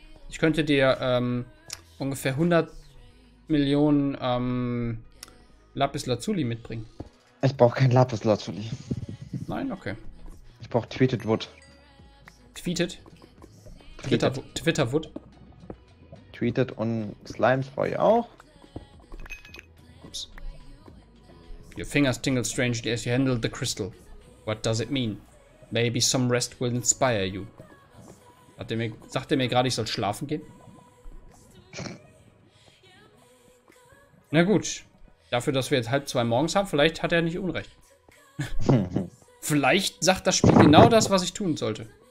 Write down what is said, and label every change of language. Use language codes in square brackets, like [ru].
[de] Ich könnte dir ungefähr 100 Millionen Lapis Lazuli mitbringen. Ich brauche kein Lapis Lazuli. Nein, okay. Ich brauche Tweeted Wood. Tweeted? Twitter Wood. Tweeted und Slimes brauche ich auch. Ups. [en] Your fingers tingle strangely as you handle the crystal. What does it mean? Maybe some rest will inspire you. [de] Sagt er mir gerade, ich soll schlafen gehen? Na gut. Dafür, dass wir jetzt 1:30 morgens haben, vielleicht hat er nicht Unrecht. Vielleicht sagt das Spiel genau das, was ich tun sollte.